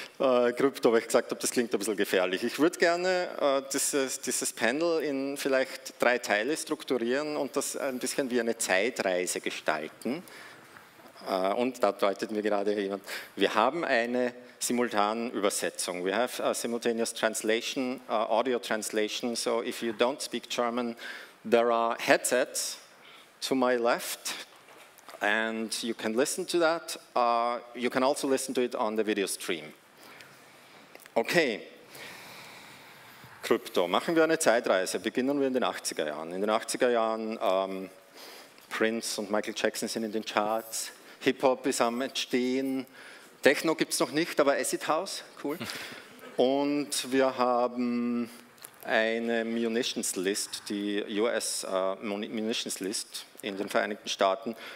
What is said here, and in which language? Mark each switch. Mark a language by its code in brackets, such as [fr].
[de] Krypto, weil ich gesagt habe, das klingt ein bisschen gefährlich. Ich würde gerne dieses Panel in vielleicht 3 Teile strukturieren und das ein bisschen wie eine Zeitreise gestalten. Und da deutet mir gerade jemand, wir haben eine simultane Übersetzung. [en] We have a simultaneous translation, audio translation. So if you don't speak German, there are headsets to my left. And you can listen to that. You can also listen to it on the video stream. [de] Okay. Krypto. Machen wir eine Zeitreise. Beginnen wir in den 80er Jahren. In den 80er Jahren, Prince und Michael Jackson sind in den Charts. Hip-Hop ist am Entstehen. Techno gibt es noch nicht, aber Acid House. Cool. Und wir haben eine Munitions List, die US Munitions List in den Vereinigten Staaten.